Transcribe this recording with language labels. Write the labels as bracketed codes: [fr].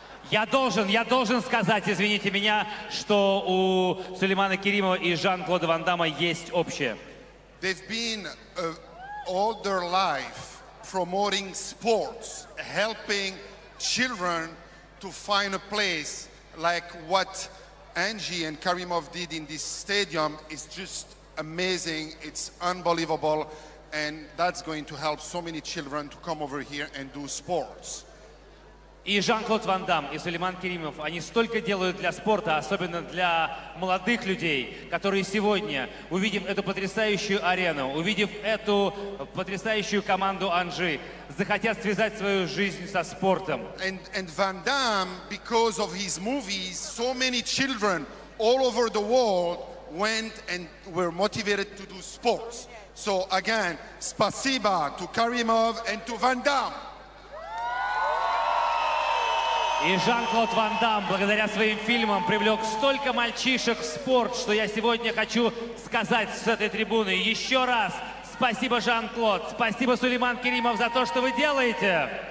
[ru] Я должен сказать, извините меня, что у Сулеймана Керимова и Жан-Клода Ван Дамма есть общее. [en] They've been all their life promoting sports, helping children to find a place like what Angie and Karimov did in this stadium. Is just amazing. It's unbelievable. And that's going to help so many children to come over here and do sports. [ru] И Жан-Клод Ван Дамм, и Сулейман Керимов, они столько делают для спорта, особенно для молодых людей, которые сегодня, увидев эту потрясающую арену, увидев эту потрясающую команду Анжи, захотят связать свою жизнь со спортом. [en] And Ван Дамм, because of his movies, so many children all over the world went and were motivated to do sports. So again, [ru] спасибо [en] to Karimov and to Ван Дамм. [ru] И Жан-Клод Ван Дамм, благодаря своим фильмам, привлек столько мальчишек в спорт, что я сегодня хочу сказать с этой трибуны еще раз спасибо, Жан-Клод, спасибо, Сулейман Керимов, за то, что вы делаете.